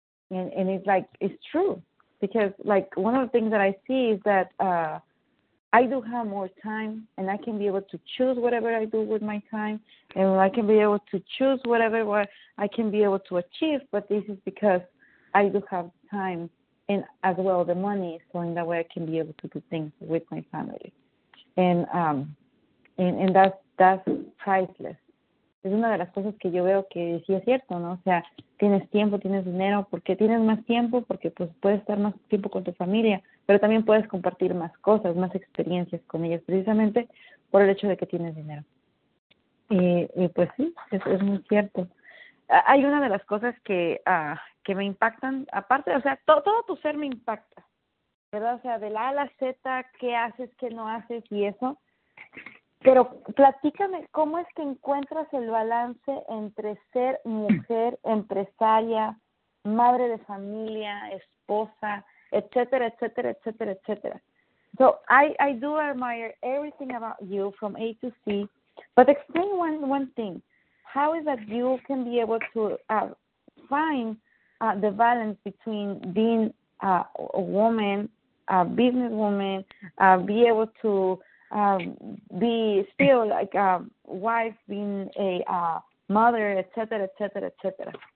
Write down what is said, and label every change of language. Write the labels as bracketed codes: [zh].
[en] And it's like, it's true. Because like one of the things that I see is that I do have more time and I can be able to choose whatever I do with my time. And I can be able to choose whatever I can be able to achieve. But this is because I do have time and as well the money. So in that way I can be able to do things with my family. And that's priceless. [es] Es una de las cosas que yo veo que sí es cierto, ¿no? O sea, tienes tiempo, tienes dinero. ¿Por qué tienes más tiempo? Porque pues puedes estar más tiempo con tu familia, pero también puedes compartir más cosas, más experiencias con ellas, precisamente por el hecho de que tienes dinero. Y pues sí, eso es muy cierto. Hay una de las cosas que me impactan, aparte, o sea, todo tu ser me impacta, ¿verdad? O sea, de la A a la Z, qué haces, qué no haces y eso. Pero platícame, ¿cómo es que encuentras el balance entre ser mujer, empresaria, madre de familia, esposa, etcétera, etcétera, etcétera, etcétera? [en] So, I do admire everything about you from A to C, but explain one thing. How is that you can be able to find the balance between being a woman, a businesswoman, be able to be still like a wife, being a mother, etcétera, etcétera, etcétera.